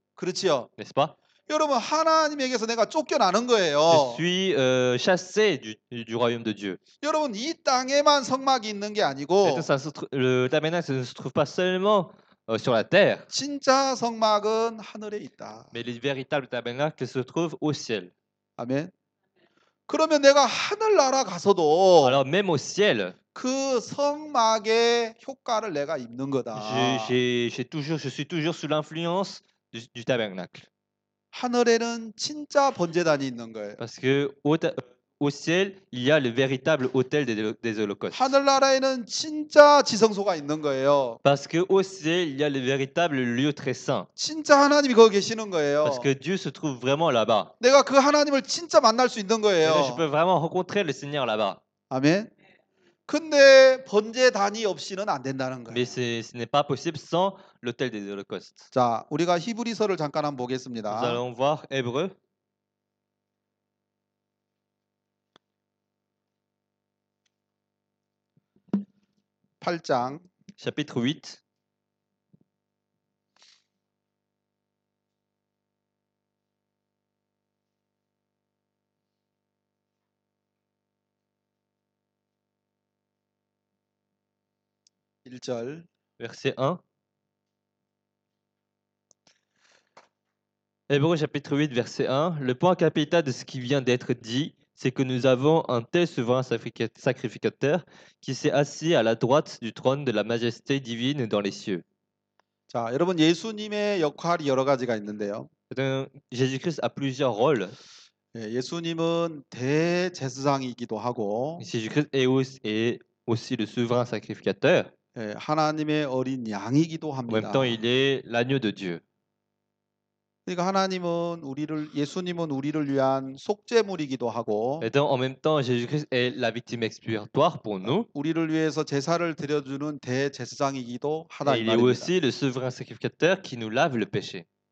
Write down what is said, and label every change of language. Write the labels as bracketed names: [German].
[Korean] 그렇지요. [French] N'est-ce pas? [Korean] 여러분 하나님에게서 내가 쫓겨나는 거예요. [French] Je suis chassé du royaume de Dieu. [Korean] 여러분 이 땅에만 성막이 있는 게 아니고 [French] le tabernacle ne se trouve pas seulement sur la terre. [Korean] 진짜 성막은 하늘에 있다. [French] Mais le véritable tabernacle se trouve au ciel. [Korean] 아멘. [French] 그러면 내가 하늘 나라 가서도 [Korean] Alors même au ciel [French] 그 성막의 효과를 내가 입는 거다. [Korean] Je suis toujours sous l'influence du tabernacle. [French] 하늘에는 진짜 번제단이 있는 거예요. [Korean] Parce que au ciel, il y a le véritable autel des holocaustes. [French] 하늘나라에는 진짜 지성소가 있는 거예요. [Korean] Parce que au ciel, il y a le véritable lieu très saint. [French] 진짜 하나님이 거기 계시는 거예요. [Korean] Parce que Dieu se trouve vraiment là-bas. [French] 내가 그 하나님을 진짜 만날 수 있는 거예요. [Korean] Je peux vraiment rencontrer le Seigneur là-bas. [French] 아멘. [Korean] 근데 번제단이 없이는 안 된다는 거예요. [French] Mais ce n'est pas possible sans l'autel des holocaustes. [Korean] 자, 우리가 히브리서를 잠깐 한번 보겠습니다. [French] Nous allons voir Hébreux. [Korean] 8장. [French] Chapitre 8. [Korean] 1절 [French] verset 1 Hébreux chapitre 8 verset 1 Le point capital de ce qui vient d'être dit, c'est que nous avons un tel souverain sacrificateur qui s'est assis à la droite du trône de la majesté divine dans les cieux. [Korean] 자, 여러분 예수님의 역할이 여러 가지가 있는데요. [French] Jésus-Christ a plusieurs rôles. [Korean] 예, 예수님은 대제사장이기도 하고 [French] Jésus-Christ est aussi le souverain sacrificateur. [Korean] 예, 하나님의 어린 양이기도 합니다. [French] En même temps, il est l'agneau de Dieu. [Korean] 그러니까 하나님은 우리를 예수님은 우리를 위한 속죄물이기도 하고 [French] Et donc, en même temps, Jésus-Christ est la victime expiatoire pour nous. [Korean] 우리를 위해서 제사를 드려 주는 대제사장이기도 하다 [French] Et il est aussi le souverain sacrificateur qui nous lave le péché.